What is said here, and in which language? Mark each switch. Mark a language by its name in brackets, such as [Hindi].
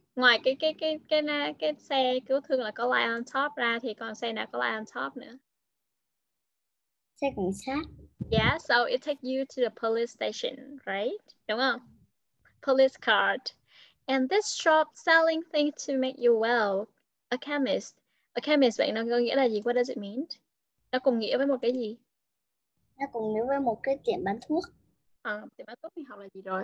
[Vietnamese] Ngoài cái xe cứu thương là có [English] light on top [Vietnamese] ra thì còn xe nào có light on top nữa? Xe cảnh sát. [English] Yeah, so it take you to the police station, right? [Vietnamese] Đúng không? [English] Police car. And this shop selling things to make you well. A chemist. [Vietnamese] A chemist vậy nó có nghĩa là gì? [English] What does it mean? [Vietnamese] Nó cùng nghĩa với một cái gì? Nó cùng nghĩa với một cái tiệm bán thuốc. À, tiệm bán thuốc thì học là gì rồi?